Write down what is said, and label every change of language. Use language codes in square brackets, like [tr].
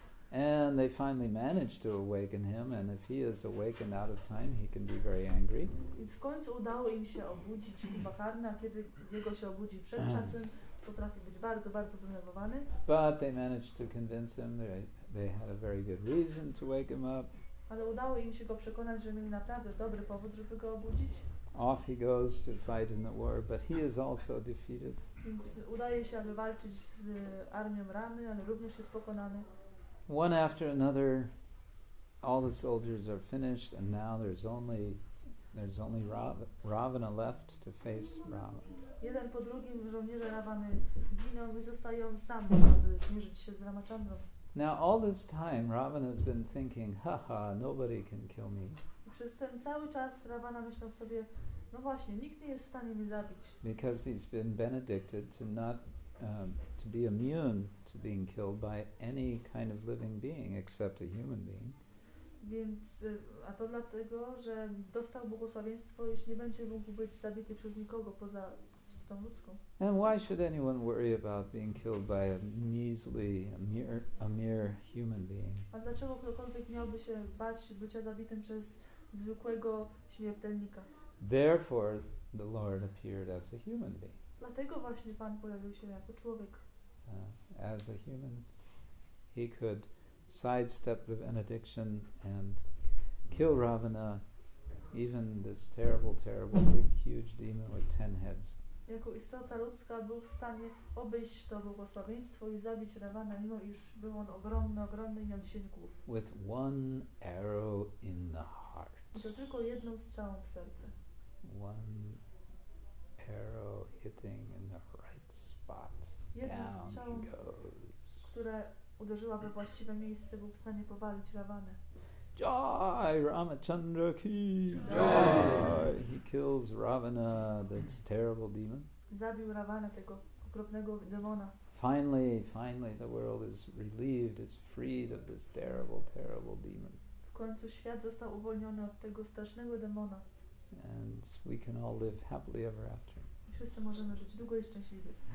[en] And they finally managed to awaken him, and if he is awakened out of time, he can be very angry. [pl] Więc w końcu udało im się obudzić Kumbha karna, kiedy jego się obudzi przed czasem, potrafi być bardzo, bardzo zdenerwowany. [en] But they managed to convince him they had a very good reason to wake him up. [pl] Ale udało im się go przekonać, że mieli naprawdę dobry powód, żeby go obudzić. [en] Off he goes to fight in the war, but he is also defeated. [pl] Więc udaje się, aby walczyć z armią Ramy, ale również jest pokonany. [en] One after another, all the soldiers are finished, and now there's only Ravana left to face Rama. [pl] Jeden po drugim żołnierze Ravany giną i zostaje on sam, aby zmierzyć się z Ramachandrą. [en] Now all this time Ravana has been thinking, haha, nobody can kill me. [pl] Przez ten cały czas Ravana myślał sobie, no właśnie, nikt nie jest w stanie mnie zabić. [en] Because he's been benedicted to not to be immune to being killed by any kind of living being except a human being. [pl] Więc a to dlatego, że dostał błogosławieństwo, iż nie będzie mógł być zabity przez nikogo poza istotą ludzką. [en] And why should anyone worry about being killed by a measly, a mere human being? [pl] A dlaczego ktokolwiek miałby się bać bycia zabitym przez zwykłego śmiertelnika? [en] Therefore, the Lord appeared as a human being. [pl] Dlatego właśnie Pan pojawił się jako człowiek. [en] As a human, he could sidestep the benediction and kill Ravana, even this terrible, terrible, big, huge demon with 10 heads. [pl] Jako istota ludzka był w stanie obejść to błogosławieństwo i zabić Ravana, mimo iż był on ogromny, ogromny i miał 10 głów. [en] With one arrow in the heart. [pl] I to tylko jedną strzałą w serce. [en] One arrow hitting in the right spot. [pl] Jedną [en] down [pl] strzałą, [en] he goes. [pl] Która uderzyła we właściwe miejsce, był w stanie powalić Ravana. [hi] Jai Ramachandra ki! Jai! [en] He kills Ravana, this terrible demon. [pl] Zabił Ravana, tego okropnego demona. [en] Finally, the world is relieved, is freed of this terrible, terrible demon. [pl] W końcu świat został uwolniony od tego strasznego demona. [en] And we can all live happily ever after. [pl] I wszyscy możemy żyć długo i szczęśliwie.